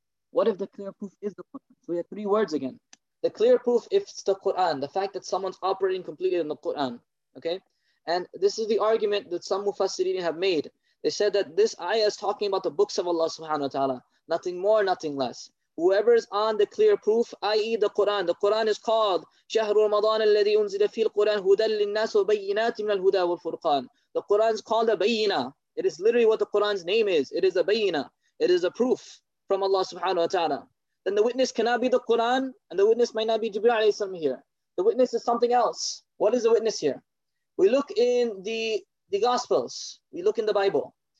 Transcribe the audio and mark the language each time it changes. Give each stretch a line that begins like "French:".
English: What if the clear proof is the Quran? So we have three words again. The clear proof, if it's the Quran, the fact that someone's operating completely in the Quran, okay? And this is the argument that some Mufassirin have made. They said that this ayah is talking about the books of Allah subhanahu wa ta'ala. Nothing more, nothing less. Whoever is on the clear proof, i.e. the Quran is called
Arabic: شَهْرُ رَمَضَانَ الَّذِي أُنزِلَ فِي الْقُرَانِ هُدًى لِلنَّاسِ وَبَيِّنَاتٍ مِنَ الْهُدَى وَالْفُرْقَانِ.
English: The Quran is called a bayina. It is literally what the Quran's name is. It is a bayina. It is a proof from Allah subhanahu wa ta'ala. Then the witness cannot be the Quran, and the witness might not be Jibril alayhi salam here. The witness is something else. What is the witness here? We look in the Gospels. We look in the Bible.